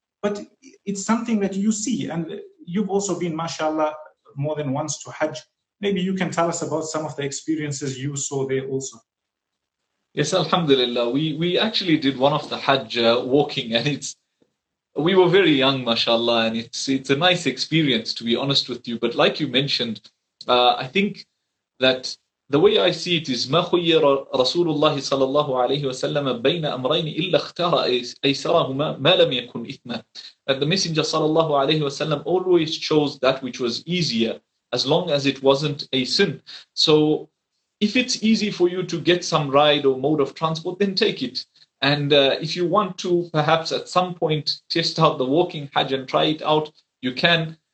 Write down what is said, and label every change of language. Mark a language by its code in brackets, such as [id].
[en] But it's something that you see. And you've also been, mashallah, more than once to Hajj. Maybe you can tell us about some of the experiences you saw there also. Yes, alhamdulillah. We actually did one of the Hajj walking, and we were very young, mashallah, and it's a nice experience, to be honest with you. But like you mentioned, I think that the way I see it is, [ar] مَا خُيِّرَ رَسُولُ اللَّهِ صَلَى اللَّهُ عَلَيْهِ وَسَلَّمَ بَيْنَ أَمْرَيْنِ إِلَّا اخْتَارَ أَيْسَرَهُمَا مَا لَمْ يَكُنْ إِثْمًا. [en] That the Messenger [ar] صلى الله عليه وسلم [en] always chose that which was easier, as long as it wasn't a sin. So if it's easy for you to get some ride or mode of transport, then take it. And if you want to perhaps at some point test out the walking Hajj and try it out, you can.